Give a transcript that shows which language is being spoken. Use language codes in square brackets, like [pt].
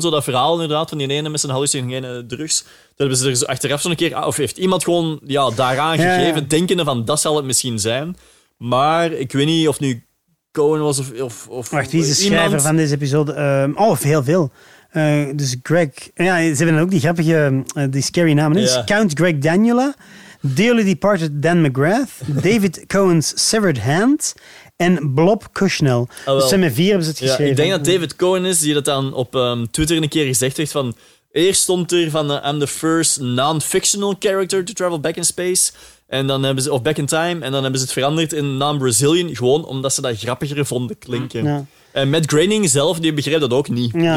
[nl] Zo dat verhaal inderdaad van die ene met zijn hallucinogene drugs. Dat hebben ze er zo achteraf zo'n keer... Of heeft iemand gewoon daaraan gegeven, denkende van dat zal het misschien zijn. Maar ik weet niet of nu Cohen was of wacht, wie is de iemand? Schrijver van deze episode? Heel veel. Dus Greg... Ja, ze hebben dan ook die grappige, die scary namen. Ja. Count Greg Daniela, Dearly Departed Dan McGrath, David Cohen's Severed Hand... En Blob Cushnell. Ah, dus zijn met 4 hebben ze het geschreven. Ja, ik denk dat David Cohen is, die dat dan op Twitter een keer gezegd heeft. [en] Van, eerst stond er van, I'm the first non-fictional character to travel back in space. [nl] En dan hebben ze, of back in time. En dan hebben ze het veranderd in non-Brazilian. Gewoon omdat ze dat grappiger vonden klinken. Ja. En Matt Groening zelf, die begreep dat ook niet. Ja.